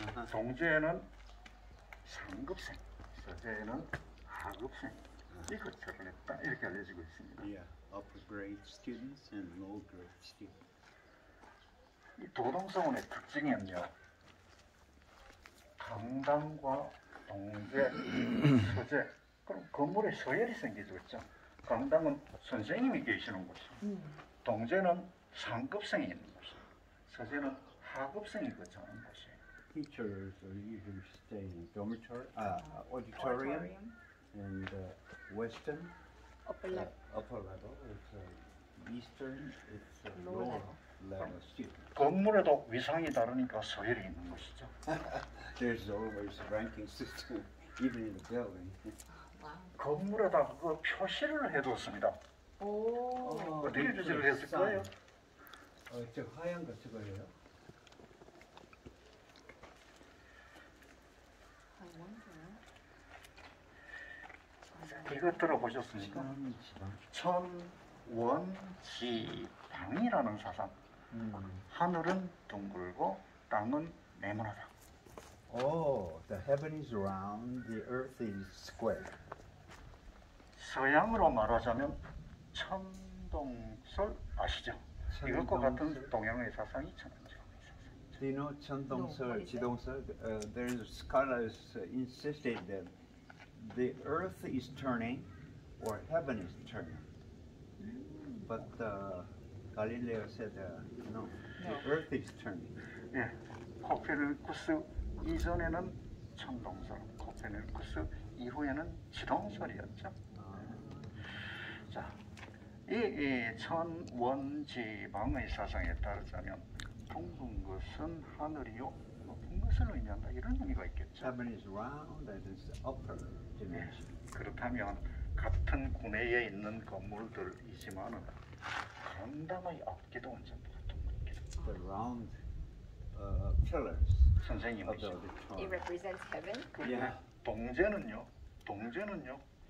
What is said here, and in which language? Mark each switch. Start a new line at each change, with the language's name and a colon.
Korean: 동제에는 상급생, 서제에는 하급생. 이것처럼 했다 이렇게 알려지고 있습니다.
English: Yeah, upper grade students and lower grade students.
Korean: 이 도동서원의 특징은요, 강당과 동제, 서재, 그럼 건물에 서열이 생기죠. 강당은 선생님이 계시는 곳이고, 동제는 상급생이 있는 곳이고, 서재는 하급생이 거쳐가는 곳이에요.
English: Teachers are usually staying in dormitory, auditorium, and western, upper level, it's eastern, it's lower.
Korean: 건물에도 위상이 다르니까 서열이 있는 것이죠.
English: There's always a ranking system, even in the building.
Korean: 건물에다 그 표시를 해뒀습니다. 오, 어떻게 표시를 했을까요? 저 하얀 거 저거예요. 이거 들어보셨습니까? 천원지방이라는 사상. 하늘은 둥글고 땅은 네모나다.
English: Oh, the heaven is round, the earth is square.
Korean: 서양으로 말하자면 천동설 아시죠? 천동설? 이것과 같은 동양의 사상이 천동설입니다.
English: Do you know 천동설, 지동설? There's scholars insisted that the earth is turning or heaven is turning. But Galileo said, no, the earth is turning.
Korean: 예, 코페르니쿠스 이전에는 천동설, 코페르니쿠스 이후에는 지동설이었죠. 자, 이 천원지방의 사상에 따르자면 둥근 것은 하늘이요, 높은 것을 의미한다, 이런 의미가 있겠죠.
English: Heaven is round, that is upper dimension.
Korean: 예, 그렇다면 같은 구내에 있는 건물들이지만은 강당의 앞기도 완전히 같은 것 같아요.
English: The round pillars.
Korean: 선생님이시죠.
English: It represents heaven?
Korean: Yeah. 동제는요? 동제는요?